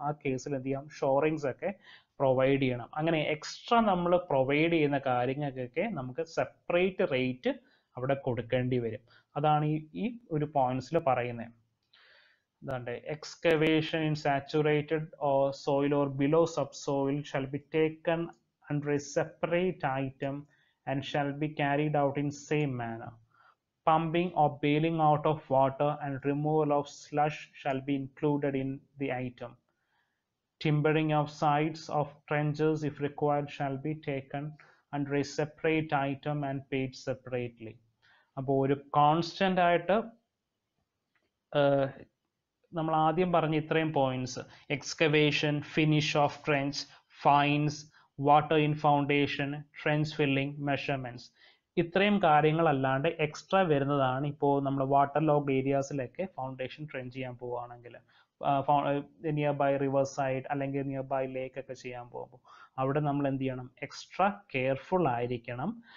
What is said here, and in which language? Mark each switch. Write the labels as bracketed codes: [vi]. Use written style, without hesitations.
[ml] ആ കേസിൽ എന്ത് ചെയ്യാം, ഷോറിങ്സ് ഒക്കെ പ്രൊവൈഡ് ചെയ്യണം. അങ്ങനെ എക്സ്ട്രാ നമ്മൾ പ്രൊവൈഡ് ചെയ്യുന്ന കാര്യങ്ങൾക്കൊക്കെ നമുക്ക് സെപ്പറേറ്റ് റേറ്റ് അവിടെ കൊടുക്കേണ്ടി വരും. അതാണ് ഈ ഈ ഒരു പോയിന്റ്സിൽ പറയുന്നത്. അതുകൊണ്ട് [en] Excavation in saturated or soil or below sub soil shall be taken under a separate item and shall be carried out in same manner. Pumping or bailing out of water and removal of slush shall be included in the item. Timbering of sides of trenches, if required, shall be taken under a separate item and paid separately. [ml] അപ്പോൾ ഒരു constant ആയിട്ട് നമ്മൾ ആദ്യം പറഞ്ഞ ഇത്രയും points, excavation, finish of trench, finds, water in foundation, trench filling, measurements, ഇത്രയും കാര്യങ്ങളല്ലാണ്ട് extra വരുന്നതാണ് ഇപ്പോൾ നമ്മൾ വാട്ടർ ലോക്ക്ഡ് ഏരിയാസിലൊക്കെ ഫൗണ്ടേഷൻ ട്രെഞ്ച് ചെയ്യാൻ പോവുകയാണെങ്കിൽ, നിയർ ബൈ റിവർ സൈഡ് അല്ലെങ്കിൽ നിയർ ബൈ ലേക്ക് ഒക്കെ ചെയ്യാൻ പോകുമ്പോൾ അവിടെ നമ്മൾ എന്ത് ചെയ്യണം, എക്സ്ട്രാ കെയർഫുൾ ആയിരിക്കണം.